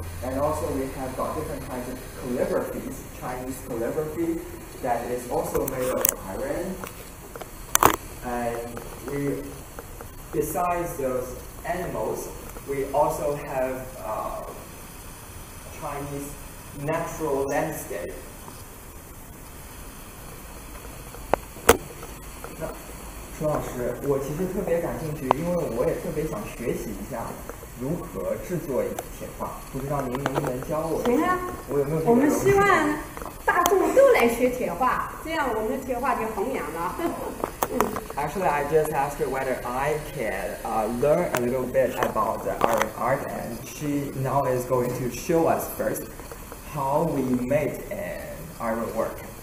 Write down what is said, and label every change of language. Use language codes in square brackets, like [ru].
[en] And also we have got different kinds of calligraphies, Chinese calligraphy, that is also made of iron. And we, besides those animals, we also have Chinese natural landscape. [zh] 朱老师，我其实特别感兴趣，因为我也特别想学习一下如何制作铁画，不知道您能不能教我？行啊，我有没有？我们希望大众都来学铁画，这样我们的铁画就弘扬了。 [en] Actually, I just asked her whether I can learn a little bit about the iron art, and she now is going to show us first how we made an iron work.